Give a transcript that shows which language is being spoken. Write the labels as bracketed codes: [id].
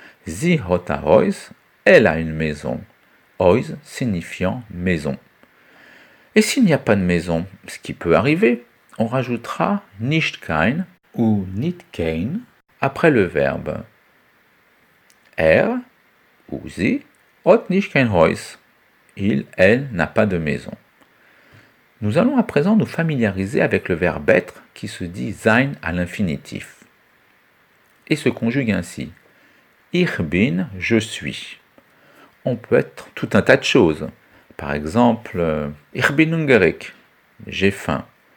[de] Sie hat ein Haus, [fr] elle a une maison. Haus signifiant maison. Et s'il n'y a pas de maison, ce qui peut arriver, on rajoutera nicht kein ou nicht kein après le verbe. [de] Ou sie hat nicht kein Haus. [fr] Il, elle n'a pas de maison. Nous allons à présent nous familiariser avec le verbe être qui se dit sein à l'infinitif. Et se conjugue ainsi. [de] Ich bin, [fr] je suis. On peut être tout un tas de choses. Par exemple, [de] ich bin hungrig, [fr] j'ai faim.